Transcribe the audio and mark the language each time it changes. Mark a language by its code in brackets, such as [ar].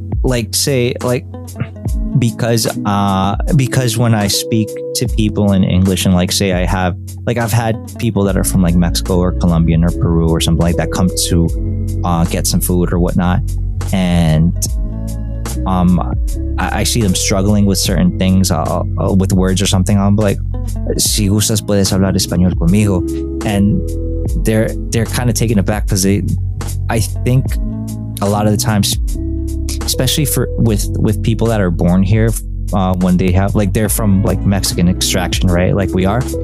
[en] Like, say, like, because when I speak to people in English, and like, say, I've had people that are from like Mexico or Colombia or Peru or something like that come to get some food or whatnot. And I see them struggling with certain things, with words or something. I'm like, [es] si gustas, puedes hablar español conmigo. [en] And they're kind of taken aback because I think a lot of the times, especially with people that are born here, when they have like they're from like Mexican extraction, right, like we are,